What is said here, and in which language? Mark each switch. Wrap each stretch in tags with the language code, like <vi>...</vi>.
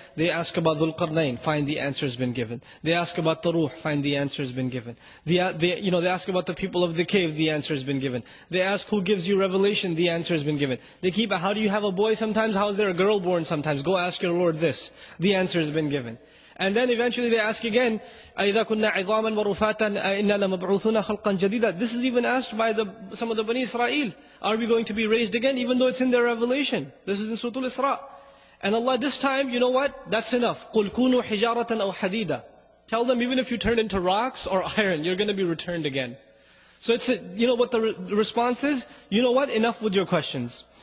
<en>They ask about Dhul-Qarnayn, find the answer has been given. They ask about Taruh, find the answer has been given. They ask about the people of the cave, the answer has been given. They ask who gives you revelation, the answer has been given. They keep, how do you have a boy sometimes? How is there a girl born sometimes? Go ask your Lord this. The answer has been given. And then eventually they ask again,</en> <ar>أَإِذَا كُنَّا عِظَامًا وَرُفَاتًا أَإِنَّا لَمَبْعُوثُنَا خَلْقًا جَدِيدًا.</ar> <en>This is even asked by some of the Bani Israel. Are we going to be raised again? Even though it's in their revelation. This is in Surah Al-Isra. And Allah this time, you know what? That's enough.</en> <ar>قُلْ كُونُوا حِجَارَةً أَوْ حَدِيدًا.</ar> <en>Tell them even if you turn into rocks or iron, you're going to be returned again. So it's response is? You know what? Enough with your questions.</en>